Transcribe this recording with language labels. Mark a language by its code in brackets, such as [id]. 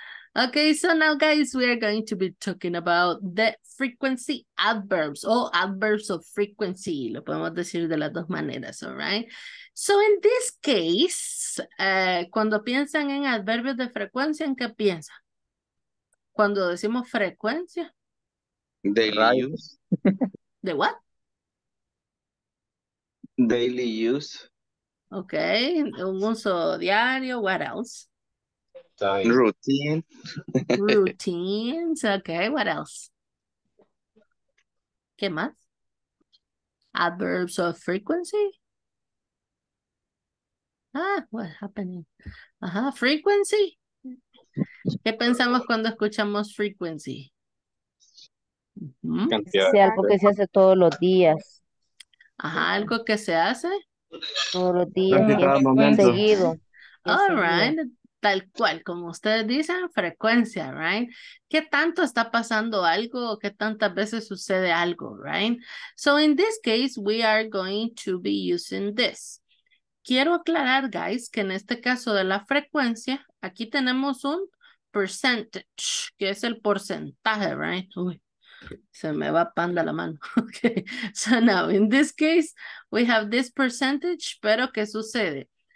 [en] Okay, so now, guys, we are going to be talking about the frequency adverbs or adverbs of frequency. [es] Lo podemos decir de las dos maneras, [en] all right? So in this case, [es] cuando piensan en adverbios de frecuencia, ¿en qué piensan? Cuando decimos frecuencia. [en] Daily use. ¿De what? Daily use. [es] Okay, un uso diario, [en] what else? Time. Routine. Routines, okay, what else? [es] ¿Qué más? [en] Adverbs of frequency. [es] Ah, [en] what's happening? [es] Ajá, frequency. ¿Qué pensamos cuando escuchamos frequency? Sí, algo que se hace todos los días. Ajá, algo que se hace todos los días, seguido. [en] All right, [es] tal cual, como ustedes dicen, frecuencia, right? ¿Qué tanto está pasando algo? ¿Qué tantas veces sucede algo, right? [en] So in this case, we are going to be using this. [es] Quiero aclarar, guys, que en este caso de la frecuencia, aquí tenemos un percentage, que es el porcentaje, right? Uy, se me va panda la mano. [en] Okay. So now, in this case, we have this percentage, [es] pero ¿qué sucede?